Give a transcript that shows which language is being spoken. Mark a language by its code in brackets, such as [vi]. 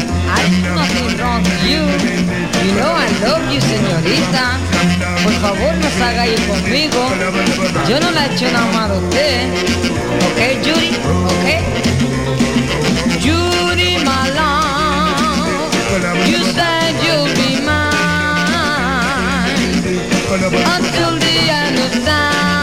[en] I'm just trying to get to you. You know I love you, señorita. [es] Por favor, no salga ahí conmigo. Yo no la echo nada más a usted. [en] Ok, Judy, ok. Judy, my love, you said you'll be mine until the end of time.